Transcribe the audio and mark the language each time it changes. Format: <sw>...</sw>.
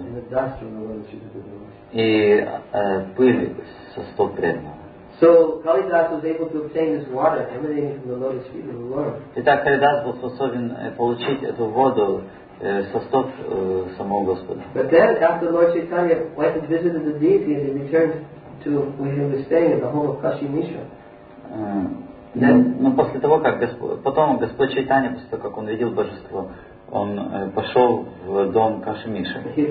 <en>And the dust from the lotus feet of the devotee.</en> <ru>И пыль со стоп преданного.</ru> <en>So Kalidas was able to obtain this water emanating from the lotus feet of the Lord.</en> <ru>Итак, Калидас был способен получить эту воду со стоп самого Господа.</ru> <en>But then, after Lord Chaitanya went and visited the deity and he returned to where he was staying in the home of Kashi Mishra.</en> <ru>Но после того, как потом Господь Чайтанья, после того, как он видел божество, он пошел в дом Каши Миши.</ru>